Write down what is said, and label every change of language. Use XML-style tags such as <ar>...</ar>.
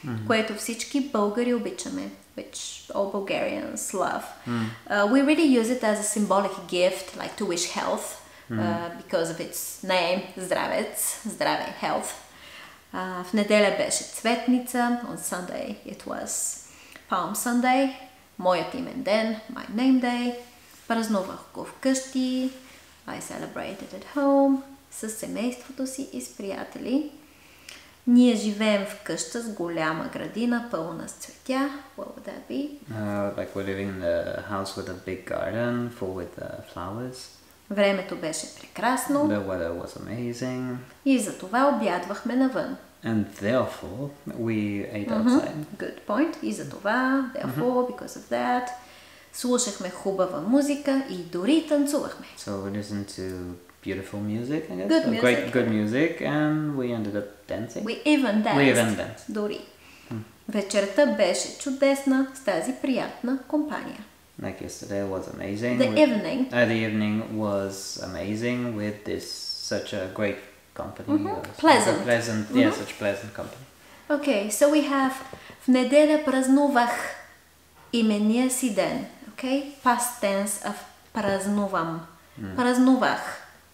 <bg>Което всички българи обичаме,</bg> <en>which all Bulgarians love. We really use it as a symbolic gift, like to wish health, because of its name, Zdravet, Zdrave, health.</en> <bg>В неделя беше цветница,</bg> <en>on Sunday it was Palm Sunday,</en> <bg>моят имен ден,</bg> <en>my name day,</en> <bg>празнувах го вкъщи,</bg> <en>I celebrated at home,</en> <bg>с семейството си и с приятели. Ние живеем в къща с голяма градина, пълна с цветя.</bg> <en>What would that be? Like we're living in a house with a big garden, full with flowers.</en> <bg>Времето беше прекрасно.</bg> <en>The weather was amazing.</en> <bg>И затова обядвахме навън.</bg> <en>And therefore, we ate outside. Good point.</en> <bg>И затова,</bg> <en>therefore, because of that.</en> <bg>Слушахме хубава музика и дори танцувахме.</bg> <en>So we listened to beautiful music, I guess. Good music. Great, good music, and we ended up dancing. We even danced. Дори.</en> <bg>Вечерта беше чудесна с тази приятна компания.</bg> <en>Like yesterday was amazing. The evening was amazing with this such a great company. Pleasant. Yeah, such pleasant company. Okay, so we have</en> <bg>в неделя празнувах имения си ден.</bg> <en>Okay, past tense of празнувам. Празнувах.</en>